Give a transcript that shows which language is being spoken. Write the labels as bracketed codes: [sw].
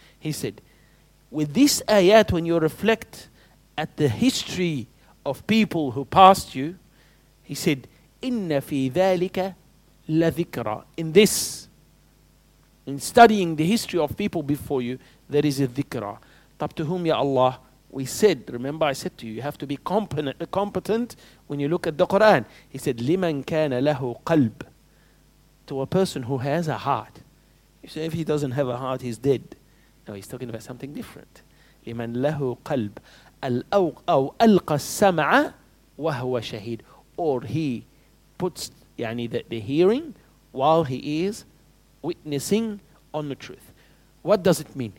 [en] He said, with this ayat, when you reflect at the history of people who passed you, he said, [ar] "Inna fi dhalika la dhikra." [en] In this, in studying the history of people before you, there is a dhikra. Up to whom, ya Allah? We said, remember I said to you, you have to be competent when you look at the Quran. He said, [ar] لِمَنْ كَانَ لَهُ قَلْبٌ. [en] To a person who has a heart. You say, if he doesn't have a heart, he's dead. No, he's talking about something different. [ar] لِمَنْ لَهُ قَلْبٌ أَوْ أَلْقَ السَّمْعَ وَهُوَ شَهِيدٌ. [en] Or he puts يعني the hearing while he is witnessing on the truth. What does it mean?